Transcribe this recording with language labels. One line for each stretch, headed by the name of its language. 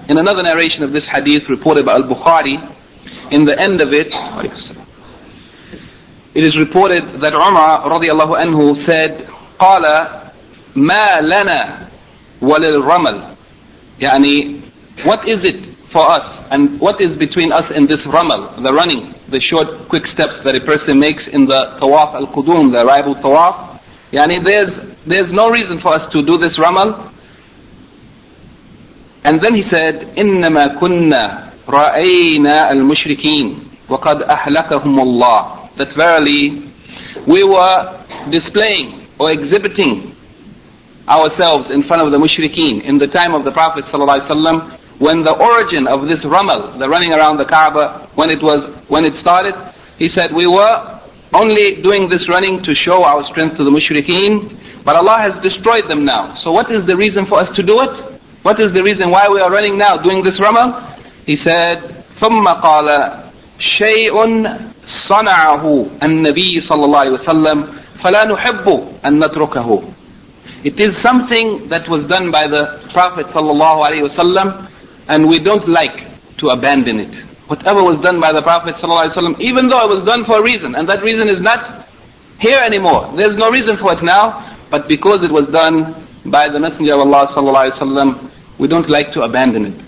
English: In another narration of this hadith reported by al-Bukhari, in the end of it, it is reported that Umar radiyallahu anhu said,
Arabic: قَالَ مَا لَنَا وَلِلْرَمَلْ. يعني,
English: what is it for us? And what is between us and this ramal, the running, the short, quick steps that a person makes in the tawaf al-qudum, the arrival tawaf, Yani there's no reason for us to do this ramal. And then he said,
Arabic: إِنَّمَا كُنَّا رَأَيْنَا الْمُشْرِكِينَ وَقَدْ أَحْلَكَهُمُ اللَّهِ.
English: That verily, we were displaying or exhibiting ourselves in front of the mushrikeen in the time of the Prophet ﷺ, when the origin of this ramal, the running around the Kaaba, when it started, he said, we were only doing this running to show our strength to the mushrikeen, but Allah has destroyed them now. So what is the reason for us to do it? What is the reason why we are running now, doing this ramal? He said,
Arabic: ثُمَّ قَالَ شَيْءٌ صَنَعَهُ النَّبِيِّ صَلَّى اللَّهِ وَسَلَّمْ فَلَا نُحِبُّ أَن نَتْرُكَهُ.
English: It is something that was done by the Prophet sallallahu alaihi wasallam, and we don't like to abandon it. Whatever was done by the Prophet sallallahu alaihi wasallam, even though it was done for a reason, and that reason is not here anymore, there's no reason for it now, but because it was done by the Messenger of Allah sallallahu alaihi wasallam, we don't like to abandon it.